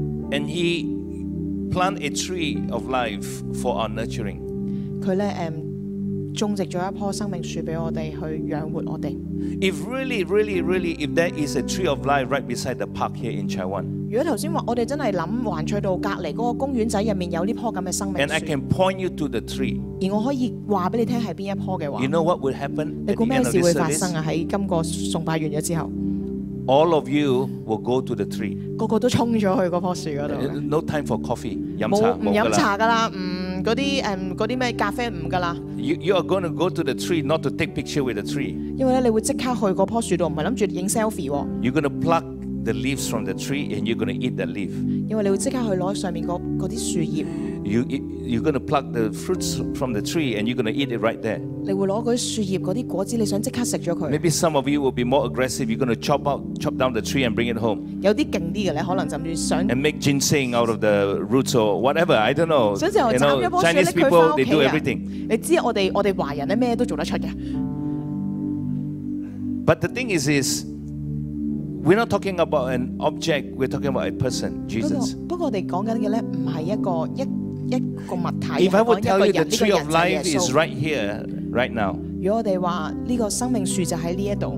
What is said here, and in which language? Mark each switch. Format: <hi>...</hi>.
<en>And he plant a tree of life for our nurturing.</en> <zh>祂種植了一棵生命樹給我們去養活我們。</zh> <en>If really, really, really, if there is a tree of life right beside the park here in Taiwan.</en> <zh>如果剛才說我們真的想環翠道隔離的公園裡面有這棵生命樹。</zh> <en>And I can point you to the tree.</en> <zh>而我可以告訴你是哪一棵的話,</zh> <en>you know what would happen at the end of this service?</en> <zh>在這個崇拜完之後,</zh> <en>all of you will go to the tree.</en> <zh>每個人都衝去那棵樹那裡。</zh> <en>No time for coffee,</en> <zh>喝茶沒有了。</zh> <en>You are going to go to the tree not to take picture with the tree.</en> <zh>因為你會立刻去那棵樹那裡，不是打算拍照片。</zh> <en>You're going to pluck the leaves from the tree and you're going to eat the leaf.</en> <zh>因為你會立刻去拿上面那些樹葉。</zh> <en>You're going to pluck the fruits from the tree and you're going to eat it right there.</en> <zh>你會拿那些樹葉那些果子，你想立刻吃掉它。</zh> <en>Maybe some of you will be more aggressive. You're going to chop down the tree and bring it home.</en> <zh>有些厲害的可能就想,</zh> <en>and make ginseng out of the roots or whatever. I don't know.</en> <zh>想想,</zh> <en>you know, Chinese people, they do everything.</en> <zh>你知道我们华人什么都做得出的。</zh> <en>But the thing is, we're not talking about an object, we're talking about a person, Jesus.</en> <zh>不过我们讲的不是一个物体,</zh> <en>if I would tell you the tree of life is right here, right now,</en> <zh>如果我们说这个生命树就在这里,</zh>